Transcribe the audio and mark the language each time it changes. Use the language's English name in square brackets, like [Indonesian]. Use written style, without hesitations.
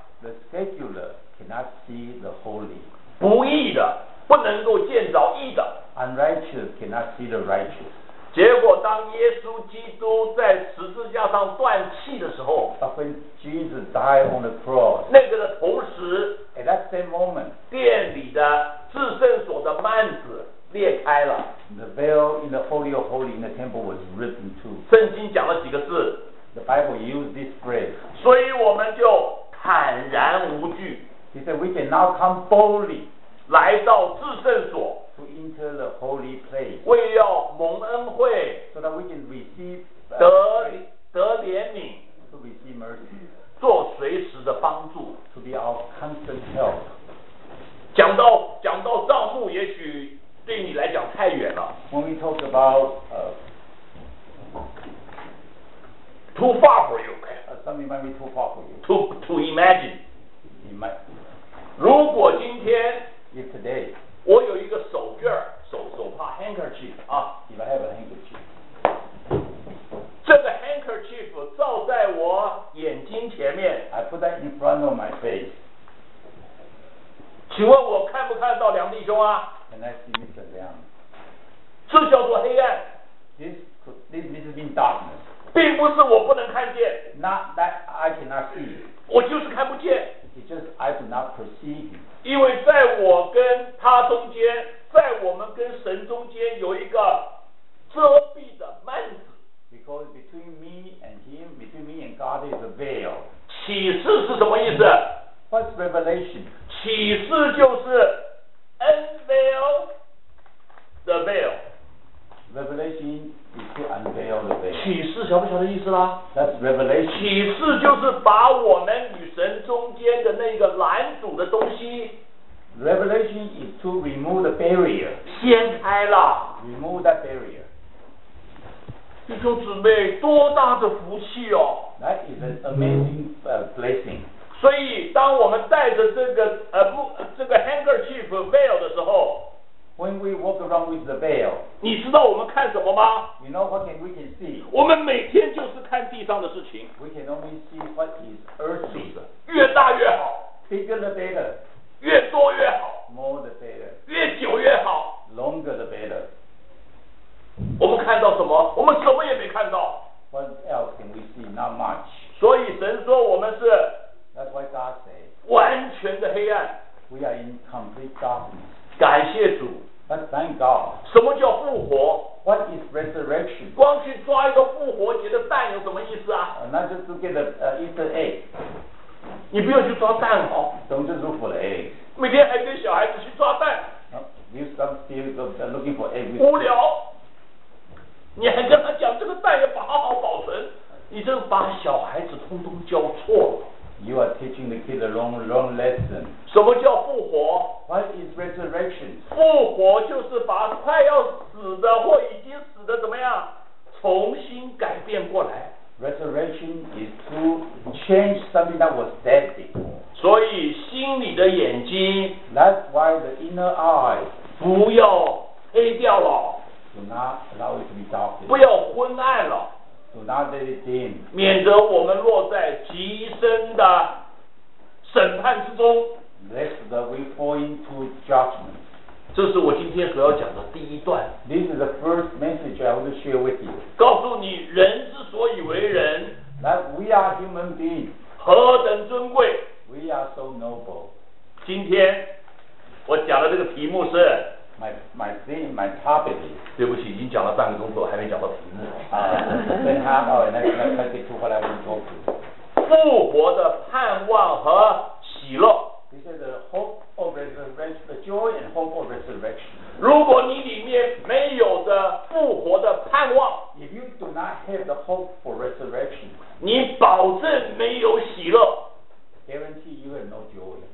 [English] The secular cannot see the holy. [Chinese] 不义的不能够见着义的。 [English] Unrighteous cannot see the righteous. [Chinese] 结果当耶稣基督在十字架上断气的时候， [English] But when Jesus died on the cross, [Chinese] 那个的同时， [English] at that same moment, [Chinese] 殿里的至圣所的幔子裂开了。 [English] The veil in the holy of holies in the temple was ripped in two. [Chinese] 圣经讲了几个字？ [English] The Bible used this phrase. [Chinese] 所以我们就坦然无惧。 [English] He said, "We can now come boldly, [Chinese] 来到至圣所 [English] to enter the holy place, [Chinese] 为要蒙恩惠 [English] so that we can receive [Chinese] 得怜悯 [English] to receive mercy, [Chinese] 做随时的帮助 [English] to be our constant help." [Chinese] 讲到帐幕，也许对你来讲太远了。 [English] When we talk about too far for you, something might be too far for you. To imagine, you might. [Chinese] 如果今天 [English] if today, [Chinese] 我有一个手绢手帕 handkerchief 啊 [English] if I have a handkerchief, [Chinese] 这个 handkerchief 照在我眼睛前面 [English] I put that in front of my face. [Chinese] 请问我看不看到梁弟兄啊 [English] Can I see Mr. Liang? [Chinese] 这叫做黑暗 [English] This has been darkness. [Chinese] 并不是我不能看见 [English] Not that I cannot see [Chinese] 我就是看不见 [English] It's just I do not perceive [Chinese] 因为在我跟他中间在我们跟神中间有一个遮蔽的幔子 [English] Because between me and him Between me and God is a veil [Chinese] 启示是什么意思 [English] What's revelation [Chinese] 启示就是 [English] unveil the veil Revelation is to unveil the veil. [Chinese] 启示晓不晓得意思啦 [English] ？That's revelation. [Chinese] 启示就是把我们与神中间的那个拦阻的东西。 [English] Revelation is to remove the barrier. [Chinese] 掀开了。 [English] Remove that barrier. [Chinese] 弟兄姊妹，多大的福气哦 [English] ！That is an amazing blessing. [Chinese] 所以，当我们带着这个 handkerchief veil 的时候。 [English] When we walk around with the veil, [Chinese] 你知道我们看什么吗 [English] ？You know what we can see. [Chinese] 我们每天就是看地上的事情。 [English] We can only see what is earthly. [Chinese] 越大越好。 [English] Bigger the better. [Chinese] 越多越好。 [English] More the better. [Chinese] 越久越好。 [English] Longer the better. [Chinese] 我们看到什么？我们什么也没看到。 [English] What else can we see? Not much. [Chinese] 所以神说我们是 [English] That's why God say [Chinese] 完全的黑暗。 [English] We are in complete darkness. [Chinese] 感谢主 [English] But thank God [Chinese] 什么叫复活 [English] What is resurrection [Chinese] 光去抓一个复活节的蛋有什么意思啊 [English] Not just to get Easter egg [Chinese] 你不要去抓蛋哦 [English] Don't just look for the egg [Chinese] 每天还跟小孩子去抓蛋 [English] You start still looking for egg [Chinese] 无聊你还跟他讲这个蛋要好好保存你这把小孩子通通教错了 [English] You are teaching the kid a wrong lesson. [Chinese] 什么叫复活 [English] ？What is resurrection? [Chinese] 复活就是把快要死的或已经死的怎么样重新改变过来。 [English] Resurrection is to change something that was dead before. [Chinese] 所以心里的眼睛 [English] ，That's why the inner eye [Chinese] 不要黑掉了 [English] ，Do not allow it to be darkened. [Chinese] 不要昏暗了。 [English] Do not let it dim. [Chinese] 免得我们落在极深的审判之中。 [English] Lest that we fall into judgment. [Chinese] 这是我今天所要讲的第一段。 [English] This is the first message I want to share with you. [Chinese] 告诉你，人之所以为人 [English] ，That we are human beings. [Chinese] 何等尊贵 [English] ！We are so noble. [Chinese] 今天我讲的这个题目是。 [English] My theme, my topic is. [Chinese] 对不起，已经讲了半个钟头，还没讲到题目。 [English] Then half hour, and let's get to what I want to talk to. [Chinese] 复活的盼望和喜乐。 [English] He said the hope of resurrection, the joy and hope of resurrection. [Chinese] 如果你里面没有的复活的盼望 [English] ，If you do not have the hope for resurrection, [Chinese] 你保证没有喜乐 [English] ，Guarantee you have no joy.